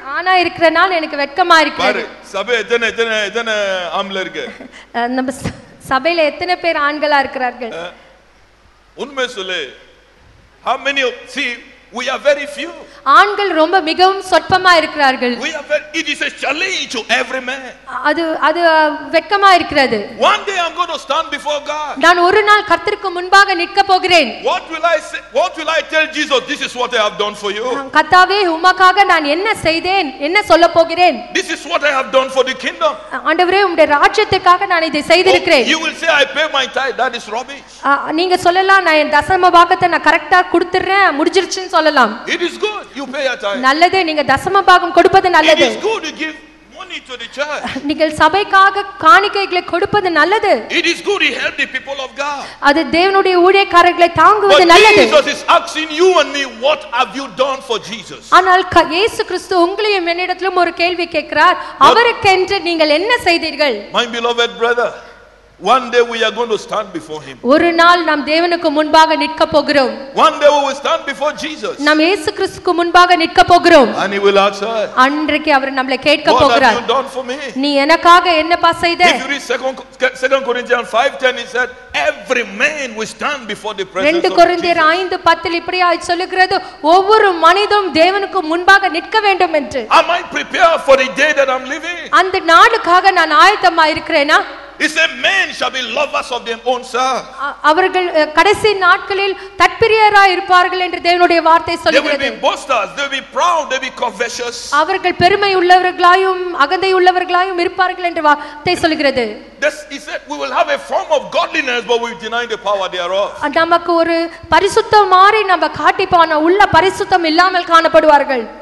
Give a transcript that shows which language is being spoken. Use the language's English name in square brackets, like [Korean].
[Tamil] ஆனா இருக்கிறனால எனக்கு வெக்கமா இருக்கு. பாரு சபை எத்தனை ஆம்பளை இருக்கு. நம்ம சபையில எத்தனை பேர் ஆண்களா இருக்கிறார்கள்? உண்மை சொல்லு. [English] How many of see, we are very few. [Tamil] ஆண்கள் ரொம்ப மிகவும் சொற்பமா இருக்கிறார்கள். [English] We are very, it is a challenge to every man. [Tamil] அது வெட்கமா இருக்கிறது. [English] One day I'm going to stand before God. [Tamil] நான் ஒரு நாள் கர்த்தருக்கு முன்பாக நிற்க போகிறேன். [English] What will I tell Jesus? This is what I have done for you. [Tamil] கர்த்தாவே, உமக்காக நான் என்ன செய்தேன், என்ன சொல்ல போகிறேன்? [English] This is what I have done for the kingdom. [Tamil] ஆண்டவரே, உம்முடைய ராஜ்யத்துக்காக நான் இதை செய்திருக்கிறேன். [English] You will say, "I pay my tithe." That is rubbish. [Tamil] நீங்க சொல்லலாம், நான் என் தசம பாகத்தை நான் கரெக்ட்டா கொடுத்துறேன், முடிஞ்சிருச்சு சொல்லலாம். [English] It is good. You pay your tithe. [Tamil] நல்லதே, நீங்க தசம பாகம் கொடுப்பது நல்லது. [English] It is good to give money to the church. [Tamil] நீங்கள் சபைக்காக காணிக்கைகளை கொடுப்பது நல்லது. [English] It is good to help the people of God. [Tamil] அது தேவனுடைய ஊழியக்காரர்களை தாங்குவது நல்லது. [English] But Jesus is asking you and me, what have you done for Jesus? [Tamil] ஆனால் இயேசு கிறிஸ்து உங்களையும் என்னிடத்திலும் ஒரு கேள்வி கேட்கிறார், அவருக்கென்று நீங்கள் என்ன செய்தீர்கள்? [English] My beloved brother, One day we are going to stand before him. [Tamil] ஒரு நாள் நாம் தேவனுக்கு முன்பாக நிற்க போகிறோம். [English] One day we will stand before Jesus. [Tamil] நாம் இயேசு கிறிஸ்துவுக்கு முன்பாக நிற்க போகிறோம். [English] And he will answer. [Tamil] அன்றைக்கு அவர் நம்மளை கேட்க போகிறார். [English] What have you done for me? [Tamil] நீ எனக்காக என்னப்பா செய்தே? [English] If you read 2 Corinthians 5:10 he said every man will stand before the presence of Jesus. [Tamil] 2 Corinthians 5:10 இப்படி ஆய் சொல்கிறது ஒவ்வொரு மனிதனும் தேவனுக்கு முன்பாக நிற்க வேண்டும் என்று. [English] Am I prepared for the day that I'm living? [Tamil] அந்த நாளுக்காக நான் ஆயத்தமாக இருக்கேனா? [English] He said men shall be lovers of their own self. [Tamil] அவர்கள் கடைசி நாட்களில் தற்பிரியராய் இருப்பார்கள் என்று தேவனுடைய வார்த்தை சொல்கிறது. [English] They will be boasters, they will be proud, they will be covetous. [Tamil] அவர்கள் பெருமை உள்ளவர்களாயும் அகந்தை உள்ளவர்களாயும் இருப்பார்கள் என்று வார்த்தை சொல்கிறது. [English] This he said we will have a form of godliness but we deny the power thereof. [Tamil] நமக்கு ஒரு பரிசுத்தமாரி நம்ம காட்டிபான உள்ள பரிசுத்தம் இல்லாமல் காணப்படுவார்கள்.